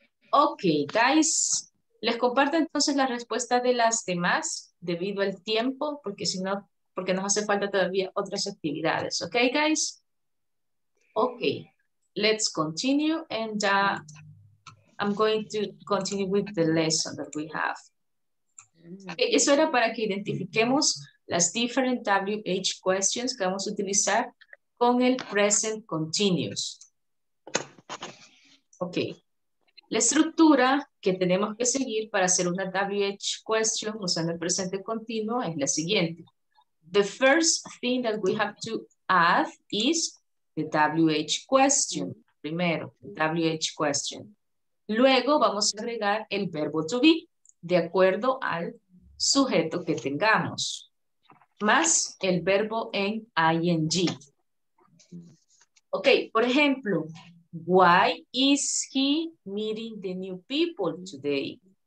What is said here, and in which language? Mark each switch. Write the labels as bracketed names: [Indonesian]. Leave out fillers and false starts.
[Spanish] Ok, [English] guys, [Spanish] les comparto entonces la respuesta de las demás debido al tiempo, porque si no, porque nos hace falta todavía otras actividades. [English] Ok, guys. Ok, let's continue and I'm going to continue with the lesson that we have. [Spanish] Okay, eso era para que identifiquemos las different WH questions que vamos a utilizar con el present continuous. Ok. La estructura que tenemos que seguir para hacer una WH question usando el presente continuo es la siguiente. [English] The first thing that we have to add is the WH question. [Spanish] Primero, WH question. Luego vamos a agregar el verbo to be de acuerdo al sujeto que tengamos. Más el verbo en ing. Ok, por ejemplo, [English] why is he meeting the new people today?